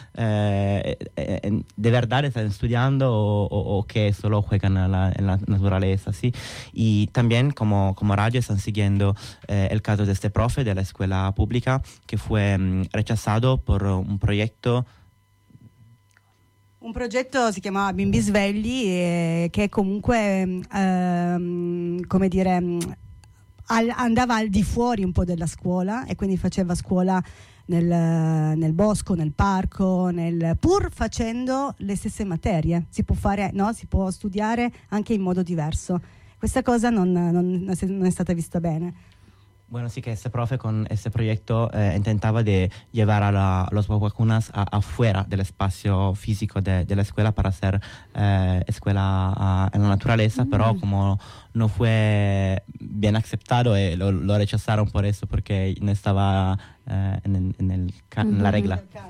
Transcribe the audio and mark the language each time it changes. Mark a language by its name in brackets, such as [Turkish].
[Spanish] ¿De verdad están estudiando o que solo juegan en la naturaleza? ¿Sí? Y también como radio están siguiendo el caso de este profe de la escuela pública que fue rechazado por un proyecto [Italian] Un progetto si chiamava Bimbi Svegli, che comunque come dire, andava al di fuori un po' della scuola, e quindi faceva scuola nel bosco, nel parco, pur facendo le stesse materie. Si può fare, no? Si può studiare anche in modo diverso. Questa cosa non è stata vista bene. [Spanish] Bueno, sí que ese profe con ese proyecto intentaba de llevar a los vacunas afuera del espacio físico de la escuela para hacer escuela en la naturaleza, pero como no fue bien aceptado, lo rechazaron por eso, porque no estaba en la regla.